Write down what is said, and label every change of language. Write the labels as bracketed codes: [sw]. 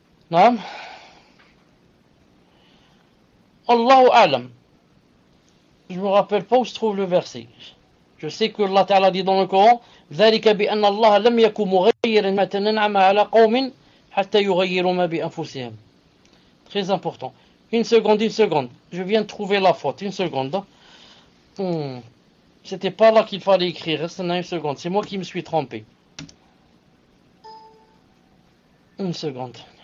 [ar] نعم الله أعلم [fr] je me rappelle pas où se trouve le verset. Je sais que Allah Ta'ala dit dans le Coran [ar] ذلك بأن الله لم يكن مغيرا ما تنعم على قوم حتى يغيروا ما بأنفسهم. [fr] Très important. Une seconde, une seconde. Je viens de trouver la faute. Une seconde. C'était pas là qu'il fallait écrire. Reste une seconde. C'est moi qui me suis trompé. Une seconde.